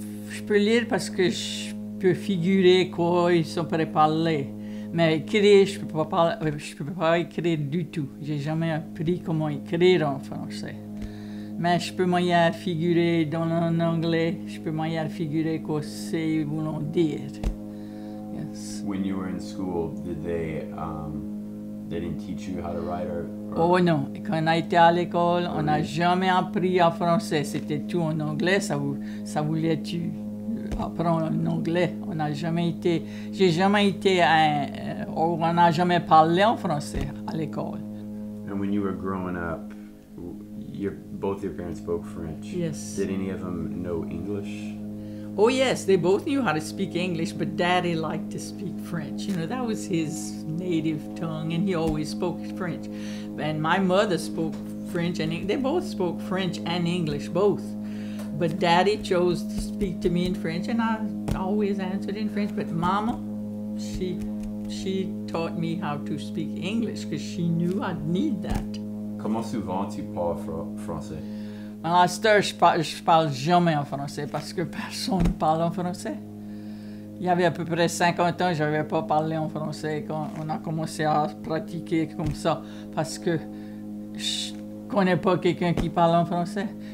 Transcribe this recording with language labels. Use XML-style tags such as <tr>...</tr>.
<fr>Je peux lire parce que je peux figurer quoi ils sont prêts à parler. Mais écrire, je peux pas parler, je peux pas écrire du tout. J'ai jamais appris comment écrire en français. Mais je peux m'y figurer dans l'anglais, je peux m'y figurer quoi c'est voulant dire.</fr> <en>When you were in school, did they They didn't teach you how to write</en> <fr>Oh non, quand on a été à l'école,</fr> <en>or</en> <fr>on n'a</fr> <en>read.</en> <fr>jamais appris en français. C'était tout en anglais. Ça voulait tu apprendre l'anglais. On n'a jamais été. J'ai jamais été. On n'a jamais parlé en français à l'école.</fr> <en>And when you were growing up, both your parents spoke French. Yes. Did any of them know English? Oh yes, they both knew how to speak English, but Daddy liked to speak French. You know, that was his native tongue, and he always spoke French. And my mother spoke French, and they both spoke French and English, both. But Daddy chose to speak to me in French, and I always answered in French. But Mama, she taught me how to speak English because she knew I'd need that.</en> <fr>Comment souvent tu parles français? À la star, je parle jamais en français parce que personne ne parle en français. Il y avait à peu près 50 ans, je n'avais pas parlé en français quand on a commencé à pratiquer comme ça parce que je connais pas quelqu'un qui parle en français.</fr>